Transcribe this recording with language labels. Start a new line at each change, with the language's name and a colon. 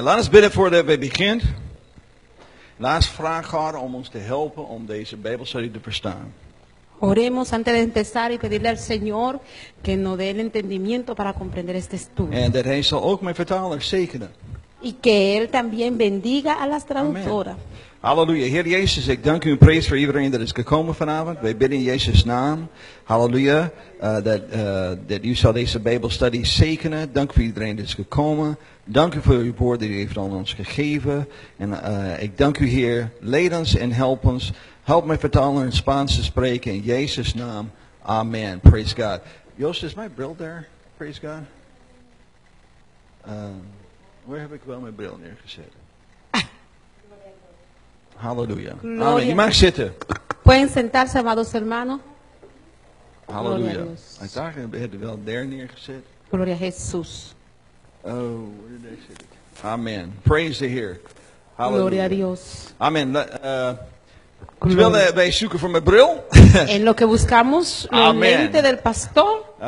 Dutch: Laat ons bidden voordat we beginnen. Laat ons vragen God om ons te helpen om deze Bijbelstudie te verstaan.
Spanish: Oremos antes de empezar y pedirle al Señor que nos dé el entendimiento para comprender este estudio.
Dutch: En dat hij zal ook mijn vertaler zegenen.
Spanish: Y que él también bendiga a las traductoras. Halleluja.
Dutch: Heer Jezus, ik dank u en prijs voor iedereen dat is gekomen vanavond. Wij bidden in Jezus naam. Halleluja. Dat u zal deze Bijbelstudie zegenen. Dank voor iedereen dat is gekomen. Dank u voor uw woord die u heeft aan ons gegeven. En ik dank u Heer. Leid ons en help ons. Help mij vertalen in Spaans te spreken. In Jezus naam. Amen.
English: Praise God.
Dutch: Joost, is mijn bril daar? Praise God. Waar heb ik wel mijn bril neergezet? Halleluja. Amen. Je mag zitten.
Spanish: Pueden sentarse, amados hermanos. Halleluja.
Dutch: Ik dacht, ik heb het wel daar neergezet.
Spanish: Gloria a Jesus.
English: Oh, where did I sit? Amen. Praise the Heer.
Spanish: Halleluja. Gloria a Dios. Amen.
Dutch: Terwijl wij zoeken voor mijn bril.
Spanish: En lo que buscamos, la mente del pastor.